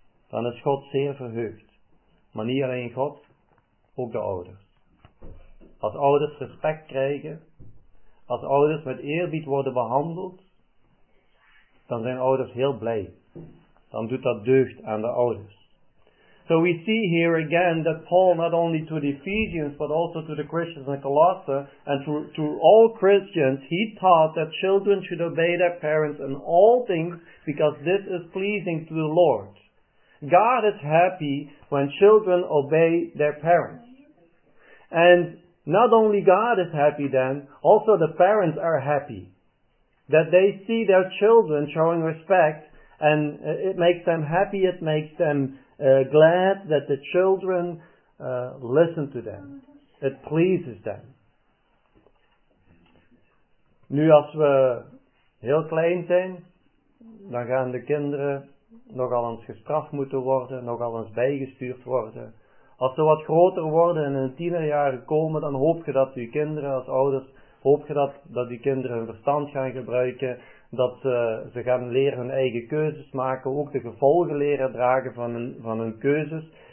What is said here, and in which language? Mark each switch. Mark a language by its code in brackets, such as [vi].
[nl] Dan is God zeer verheugd. Maar niet alleen God, ook de ouders. Als ouders respect krijgen, als ouders met eerbied worden behandeld, dan zijn ouders heel blij. Dan doet dat deugd aan de ouders. [en] So we see here again that Paul, not only to the Ephesians, but also to the Christians in Colossae, and to all Christians, he taught that children should obey their parents in all things, because this is pleasing to the Lord. God is happy when children obey their parents. And not only God is happy then, also the parents are happy that they see their children showing respect, and it makes them happy, it makes them glad that the children listen to them. It pleases them. [nl] Nu als we heel klein zijn, dan gaan de kinderen nogal eens gestraft moeten worden, nogal eens bijgestuurd worden. Als ze wat groter worden en in de tienerjaren komen, dan hoop je dat uw kinderen als ouders, hoop je dat die kinderen hun verstand gaan gebruiken, dat ze gaan leren hun eigen keuzes maken, ook de gevolgen leren dragen van hun keuzes.